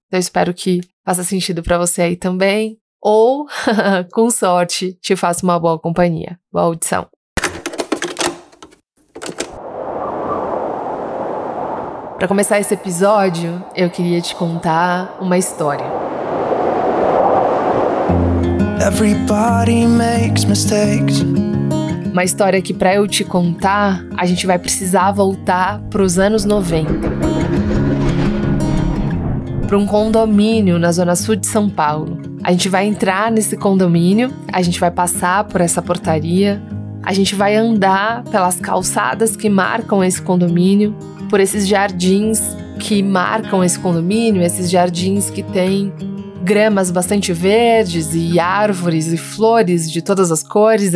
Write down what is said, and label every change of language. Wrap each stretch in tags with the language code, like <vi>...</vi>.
<pt>Então, eu espero que faça sentido para você aí também. Ou, com sorte, te faça uma boa companhia. Boa audição. Para começar esse episódio, eu queria te contar uma história.</pt> <en>Everybody makes mistakes.</en> <pt>Uma história que, pra eu te contar, a gente vai precisar voltar pros anos 90. Pra um condomínio na zona sul de São Paulo, A gente vai entrar nesse condomínio, a gente vai passar por essa portaria, a gente vai andar pelas calçadas que marcam esse condomínio, por esses jardins que marcam esse condomínio, esses jardins que têm gramas bastante verdes e árvores e flores de todas as cores.</pt>